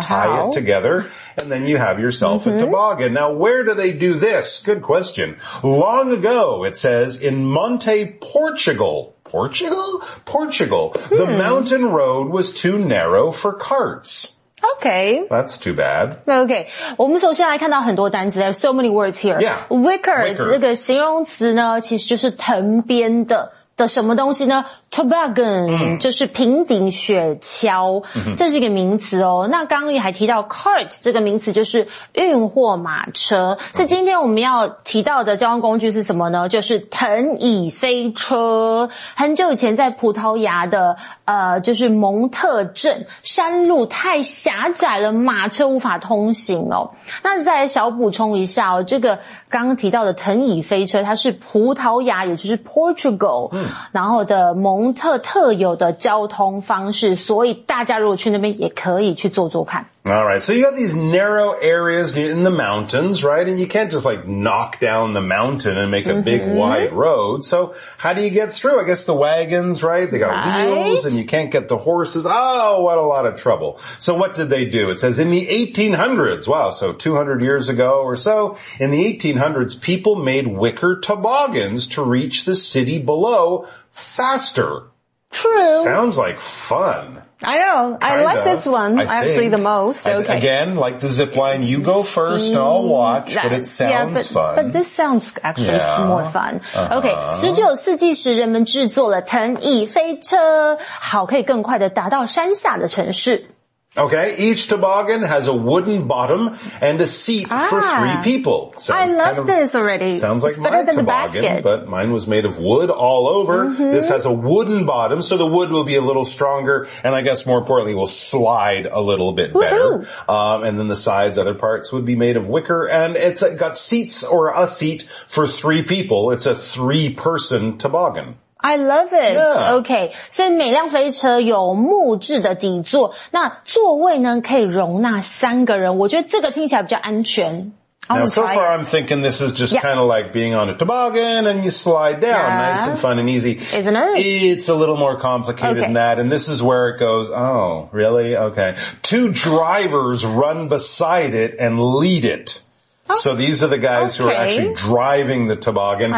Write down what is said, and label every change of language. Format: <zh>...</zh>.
<en>tie it together, and then you have yourself a toboggan. Now, where do they do this? Good question. Long ago, it says, in Monte, Portugal. Portugal? Portugal. Hmm. The mountain road was too narrow for carts. Okay. That's too bad. Okay.</en> <zh>我们首先来看到很多单词。</zh> <en>There's so many words here. Yeah.</en> <zh>Wicker, 这个形容词呢其实就是藤编的。的什么东西呢 ?Toboggan, 就是平顶雪橇。这是一个名词哦。那刚刚也还提到 cart, 这个名词就是运货马车。所以今天我们要提到的交通工具是什么呢就是藤椅飞车。很久以前在葡萄牙的就是蒙特镇山路太狭窄了马车无法通行哦。那再来小补充一下哦这个刚刚提到的藤椅飞车它是葡萄牙也就是 Portugal。然后的蒙特特有的交通方式所以大家如果去那边也可以去坐坐看</zh> <en>Alright, so you have these narrow areas in the mountains, right? And you can't just like knock down the mountain and make a big wide road. So how do you get through? I guess the wagons, right? They got wheels and you can't get the horses. Oh, what a lot of trouble. So what did they do? It says in the 1800s, wow, so 200 years ago or so, in the 1800s, people made wicker toboggans to reach the city below faster. True. Sounds like fun. I know. Kinda, I like this one actually the most. Okay. Again, like the zip line, you go first, I'll watch, but it sounds fun. But this sounds actually more fun.</en> <zh>Okay, 19世纪时人们制作了藤椅飞车，好可以更快地达到山下的城市。</zh> <en>Okay, each toboggan has a wooden bottom and a seat for three people. I love this already. Sounds like it's my toboggan, but mine was made of wood all over. This has a wooden bottom, so the wood will be a little stronger, and I guess more importantly, will slide a little bit better. And then the sides, other parts would be made of wicker, and it's got seats or a seat for three people. It's a three-person toboggan. I love it. Yeah. Okay.</en> <zh>所以每辆飞车有木质的底座，那座位呢可以容纳三个人。我觉得这个听起来比较安全。</zh> <en>Now, so far, I'm thinking this is just kind of like being on a toboggan and you slide down. Yeah. Nice and fun and easy. Isn't it? It's a little more complicated than that. And this is where it goes, oh, really? Okay. Two drivers run beside it and lead it. So these are the guys who are actually driving the toboggan.</en>